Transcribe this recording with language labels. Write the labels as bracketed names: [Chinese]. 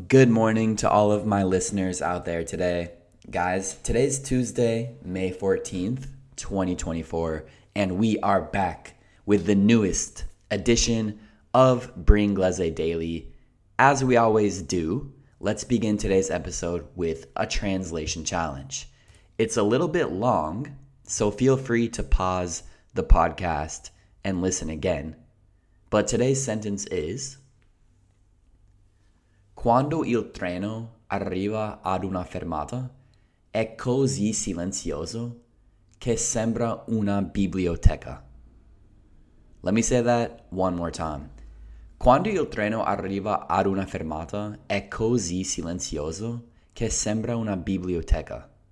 [English] Good morning to all of my listeners out there today. Guys, today's Tuesday, May 14th, 2024, and we are back with the newest edition of Bringlese Daily. As we always do, let's begin today's episode with a translation challenge. It's a little bit long, so feel free to pause the podcast and listen again. But today's sentence is, [Italian] quando il treno arriva ad una fermata, è così silenzioso che sembra una biblioteca. [English] Let me say that one more time. [Italian] Quando il treno arriva ad una fermata, è così silenzioso che sembra una biblioteca.